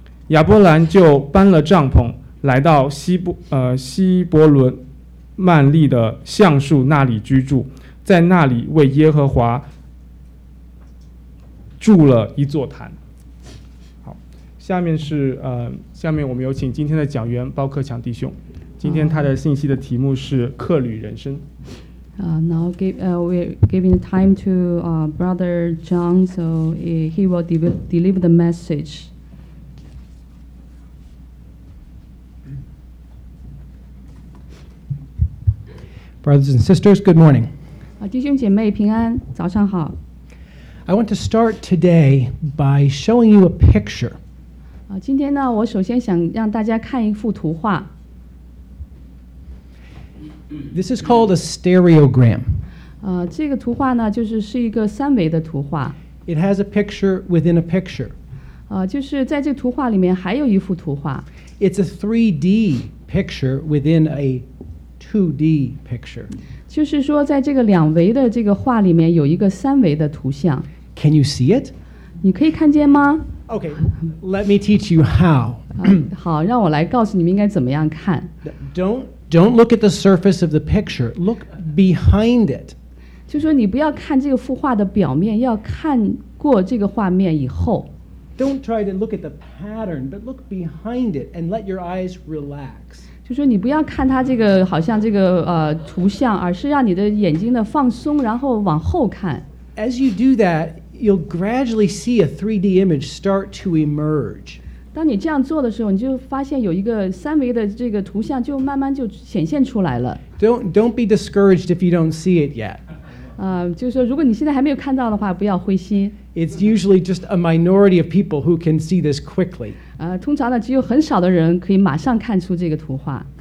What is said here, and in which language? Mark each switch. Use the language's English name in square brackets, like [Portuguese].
[Chinese] 亚伯兰就搬了帐篷，来到西伯伦曼利的橡树那里居住，在那里为耶和华筑了一座坛。下面我们有请今天的讲员包克强弟兄。今天他的信息的题目是客旅人生。 [English] We're giving time to Brother John, so he will deliver the message. Brothers and sisters, good morning. [Chinese] 弟兄姐妹平安，早上好。 [English] I want to start today by showing you a picture. [Chinese] 今天呢，我首先想让大家看一幅图画。 [English] This is called a stereogram. [Chinese] 这个图画呢，就是一个三维的图画。 [English] It has a picture within a picture. [Chinese] 就是在这图画里面还有一幅图画。 [English] It's a 3D picture within a 2D picture. [Chinese] 就是说，在这个两维的这个画里面有一个三维的图像。 [English] Can you see it? [Chinese] 你可以看见吗？ [English] Okay, let me teach you how. [Chinese] 好，让我来告诉你们应该怎么样看。 [English] Don't look at the surface of the picture. Look behind it. [Chinese] 就说你不要看这个幅画的表面，要看过这个画面以后。 [English] Don't try to look at the pattern, but look behind it and let your eyes relax. [Chinese] 就说你不要看它这个好像这个图像，而是让你的眼睛的放松，然后往后看。 [English] As you do that,You'll gradually see a 3D image start to emerge. [Chinese] 当你这样做的时候，你就发现有一个三维的这个图像就慢慢就显现出来了。 [English] Don't be discouraged if you don't see it yet. [Chinese] 就是说如果你现在还没有看到的话，不要灰心。 [English] It's usually just a minority of people who can see this quickly. [Chinese] 通常呢，只有很少的人可以马上看出这个图画。